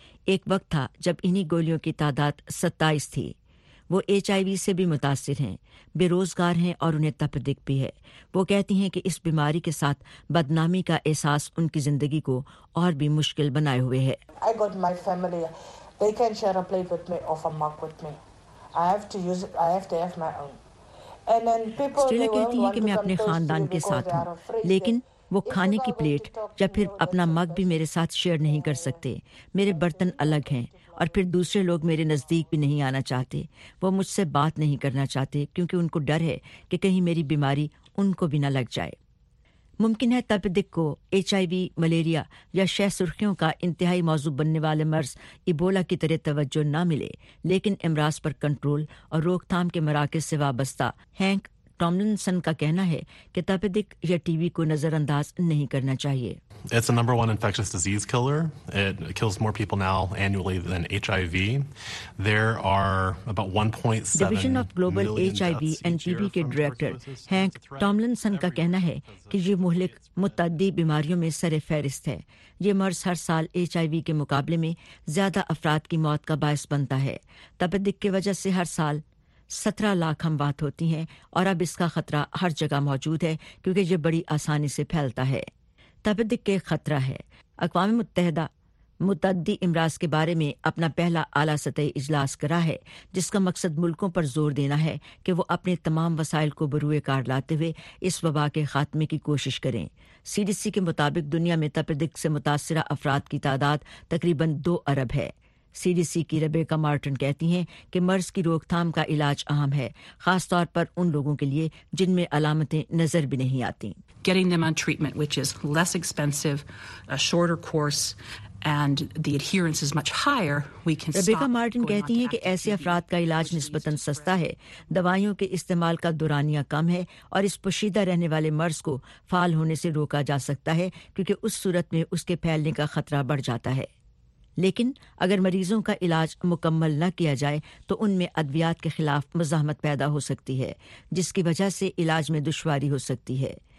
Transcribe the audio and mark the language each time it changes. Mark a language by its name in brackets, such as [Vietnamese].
[Urdu] ایک وقت تھا جب انہی گولیوں کی تعداد 27 تھی. وہ ایچ آئی وی سے بھی متاثر ہیں, بے روزگار ہیں اور انہیں تپدق بھی ہے. وہ کہتی ہیں کہ اس بیماری کے ساتھ بدنامی کا احساس ان کی زندگی کو اور بھی مشکل بنائے ہوئے ہے. [English] I got my family. They can share a plate with me or a mug with me. I have to use it. I have to have my own. And then people [Urdu] Stella کہتی ہے کہ میں اپنے خاندان کے ساتھ ہوں, لیکن وہ کھانے کی پلیٹ یا پھر اپنا مگ بھی میرے ساتھ شیئر نہیں کر سکتے. میرے برتن الگ ہیں اور پھر دوسرے لوگ میرے نزدیک بھی نہیں آنا چاہتے. وہ مجھ سے بات نہیں کرنا چاہتے کیونکہ ان کو ڈر ہے کہ کہیں میری بیماری ان کو بھی نہ لگ جائے. ممکن ہے تپدق کو ایچ آئی وی, ملیریا یا شہ سرخیوں کا انتہائی موضوع بننے والے مرض ایبولا کی طرح توجہ نہ ملے, لیکن امراض پر کنٹرول اور روک تھام کے مراکز سے وابستہ ہینک ٹاملنسن کا کہنا ہے کہ تپدق یا ٹی وی کو نظر انداز نہیں کرنا چاہیے. [English] It's the number one infectious disease killer. It kills more people now annually than HIV. There are about 1.7 million [Urdu] Division of Global HIV and TB کے ڈائریکٹر ہینک ٹاملنسن کا کہنا ہے کہ یہ مہلک متعدی بیماریوں میں سر فہرست ہے. یہ مرض ہر سال ایچ آئی وی کے مقابلے میں زیادہ افراد کی موت کا باعث بنتا ہے. تپدق کی وجہ سے ہر سال 17 لاکھ اموات ہوتی ہیں, اور اب اس کا خطرہ ہر جگہ موجود ہے کیونکہ یہ بڑی آسانی سے پھیلتا ہے. تپدق کے خطرہ ہے. اقوام متحدہ متعدی امراض کے بارے میں اپنا پہلا اعلی سطحی اجلاس کرا ہے, جس کا مقصد ملکوں پر زور دینا ہے کہ وہ اپنے تمام وسائل کو بروئے کار لاتے ہوئے اس وبا کے خاتمے کی کوشش کریں. سی ڈی سی کے مطابق دنیا میں تپدق سے متاثرہ افراد کی تعداد تقریباً 2 ارب ہے. سی ڈی سی کی ریبیکا مارٹن کہتی ہیں کہ مرض کی روک تھام کا علاج اہم ہے, خاص طور پر ان لوگوں کے لیے جن میں علامتیں نظر بھی نہیں آتی. [English] Getting them on treatment which is less expensive, a shorter course, and the adherence is much higher, we can stop. [Urdu] Rebecca Martin کہتی ہیں کہ ایسے افراد کا علاج نسبتاً سستا ہے, دوائیوں کے استعمال کا دورانیہ کم ہے, اور اس پوشیدہ رہنے والے مرض کو فعال ہونے سے روکا جا سکتا ہے کیونکہ اس صورت میں اس کے پھیلنے کا خطرہ بڑھ جاتا ہے. لیکن اگر مریضوں کا علاج مکمل نہ کیا جائے تو ان میں ادویات کے خلاف مزاحمت پیدا ہو سکتی ہے, جس کی وجہ سے علاج میں دشواری ہو سکتی ہے.